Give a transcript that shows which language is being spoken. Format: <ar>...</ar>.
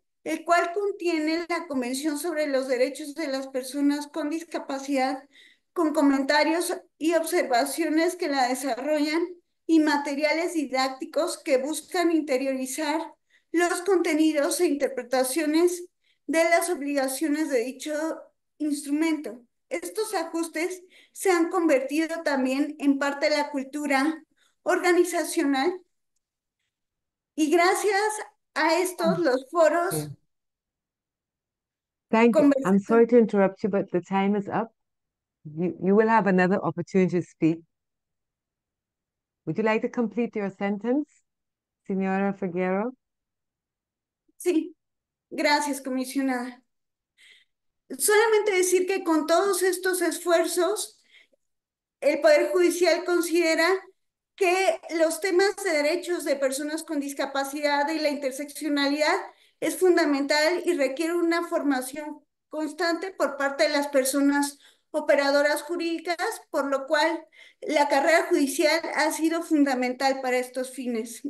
<es>el cual contiene la Convención sobre los Derechos de las Personas con Discapacidad, con comentarios y observaciones que la desarrollan y materiales didácticos que buscan interiorizar los contenidos e interpretaciones de las obligaciones de dicho instrumento. Estos ajustes se han convertido también en parte de la cultura organizacional y gracias a estos los foros.</es> <en>Thank you. I'm sorry to interrupt you, but the time is up. You will have another opportunity to speak. Would you like to complete your sentence, Señora Figueroa?</en> <es>Sí. Gracias, comisionada. Solamente decir que con todos estos esfuerzos, el Poder Judicial considera que los temas de derechos de personas con discapacidad y la interseccionalidad es fundamental y requiere una formación constante por parte de las personas operadoras jurídicas, por lo cual la carrera judicial ha sido fundamental para estos fines.</es>